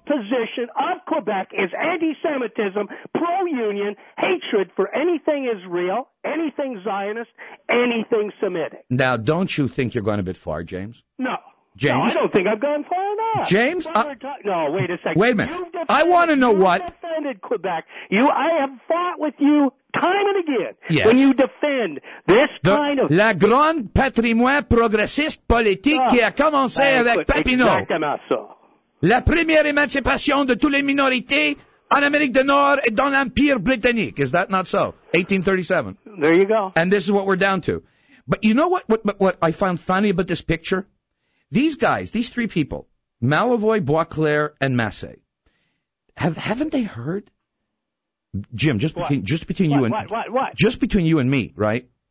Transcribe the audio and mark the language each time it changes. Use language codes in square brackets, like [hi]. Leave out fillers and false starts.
[en] The position of Quebec is anti-Semitism, pro-union, hatred for anything Israel, anything Zionist, anything Semitic. Now, don't you think you're going a bit far, James? No. James? No, I don't think I've gone far enough. James? Wait a second. Wait a minute. I want to know what... You defended Quebec. I have fought with you time and again. Yes. When you defend this kind of... [fr] La grande patrimoine progressiste politique qui a commencé avec Papineau. Exactement ça. La première émancipation de toutes les minorités en Amérique du Nord et dans l'Empire britannique. [en] Is that not so? 1837. There you go. And this is what we're down to. But you know what I found funny about this picture? These guys, these three people, Malavoy, Boisclair, and Massé, haven't they heard? Jim, just between you and me, right?